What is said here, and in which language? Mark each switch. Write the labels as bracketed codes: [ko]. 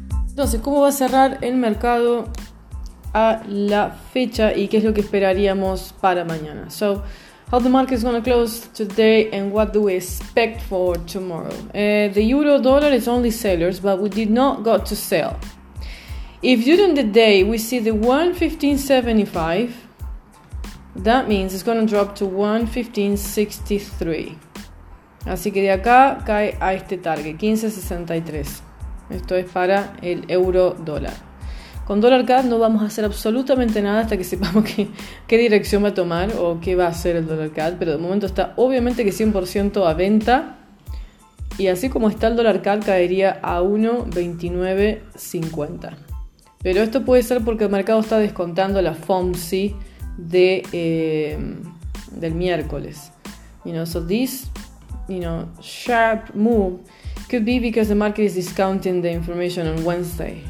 [es] Entonces, ¿cómo va a cerrar el mercado a la fecha y qué es lo que esperaríamos para mañana? [en] So, how the market is going to close today and what do we expect for tomorrow? The euro dollar is only sellers, but we did not got to sell. If during the day we see the 115.75, that means it's going to drop to 115.63. [es] Así que de acá cae a este target, 15.63. Esto es para el euro dólar. Con dólar CAD no vamos a hacer absolutamente nada hasta que sepamos qué dirección va a tomar o qué va a hacer el dólar CAD, pero de momento está obviamente que 100% a venta. Y así como está el dólar CAD, caería a 1.29.50. Pero esto puede ser porque el mercado está descontando la FOMC del miércoles. [en] You know, so this, you know, sharp move could be because the market is discounting the information on Wednesday.